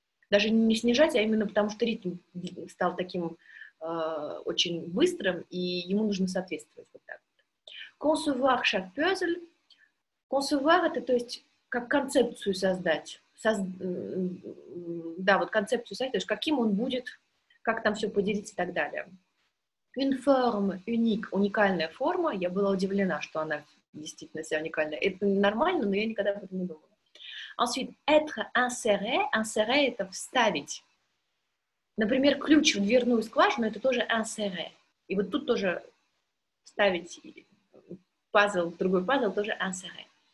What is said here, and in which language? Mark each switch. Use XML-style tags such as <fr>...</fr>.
<ru>Даже не снижать, а именно потому, что ритм стал таким очень быстрым, и ему нужно соответствовать вот так.</ru> <fr>Concevoir chaque puzzle.</fr> <ru>Concevoir — это то есть как концепцию создать. То есть каким он будет, как там все поделить и так далее.</ru> <fr>Une forme unique,</fr> <ru>уникальная форма. Я была удивлена, что она действительно вся уникальная. Это нормально, но я никогда об этом не думала.</ru> <fr>Ensuite, être inséré.</fr> <ru>Inséré — это вставить. Например, ключ в дверную скважину — это тоже inséré. И вот тут тоже вставить пазл, другой пазл — тоже inséré.</ru>